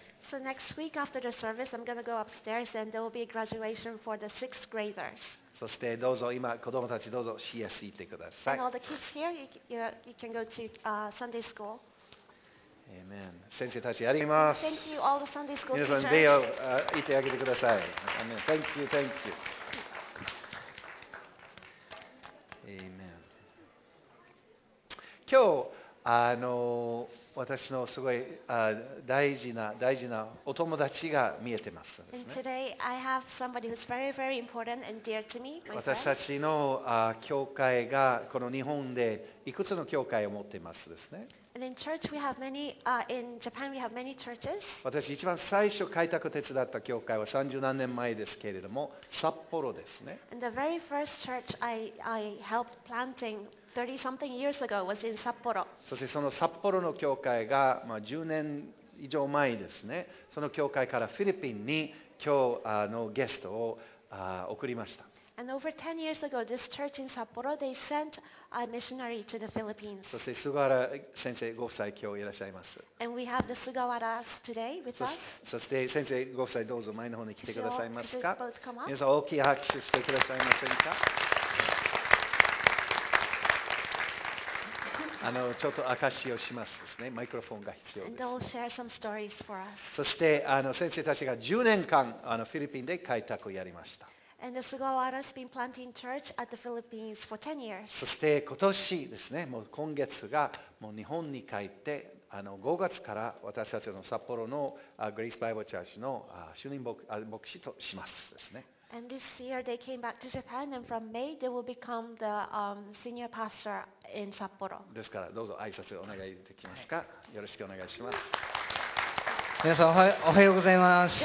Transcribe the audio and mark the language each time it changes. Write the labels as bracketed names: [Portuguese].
[English] So next week after the service, I'm going to go upstairs and there will be a graduation for the sixth graders. [Japanese] そしてどうぞ今子どもたちどうぞ CS 行ってください。 [English] And all the kids here, you can go to Sunday school. Amen. [Japanese] 先生たちありがとうございます。 [English] Thank you, all the Sunday school teachers. [Japanese] 皆さん礼を言ってあげてください。 [English] Amen. Thank you, thank you. Amen. [Japanese] 今日私のすごい大事なお友達が見えてますんですね。 [English] And today I have somebody who's very, very important and dear to me. [Japanese] 私たちの教会がこの日本でいくつの教会を持ってますですね。 [English] And in church we have many. In Japan we have many churches. [Japanese] 私一番最初開拓手伝った教会は30何年前ですけれども、札幌ですね。 [English] And the very first church I helped planting. 30 something years ago was in Sapporo. [Japanese] そしてその札幌の教会が、10年以上前ですね、その教会からフィリピンに今日のゲストを送りました。 [English] And over 10 years ago, this church in Sapporo, they sent a missionary to the Philippines. [Japanese] そして菅原先生ご夫妻今日いらっしゃいます。 [English] And we have the Sugawaras today with us. [Japanese] そして先生ご夫妻どうぞ前の方に来てくださいますか。 [English] Both come up? [Japanese] 皆さん大きい拍手してくださいませんか。ちょっと証しをしますですね。マイクロフォンが必要です。 [English] And they'll share some stories for us. [Japanese] そして先生たちが10年間フィリピンで開拓をやりました。 [English] And the Sugawara's been planting church at the Philippines for 10 years. [Japanese] そして今年ですね、もう今月がもう日本に帰って5月から私たちの札幌のグレイスバイブルチャーチの主任牧師としますですね。 [English] And this year they came back to Japan and from May they will become the senior pastor in Sapporo. [Japanese] ですからどうぞ挨拶お願いできますか。よろしくお願いします。皆さんおはようございます。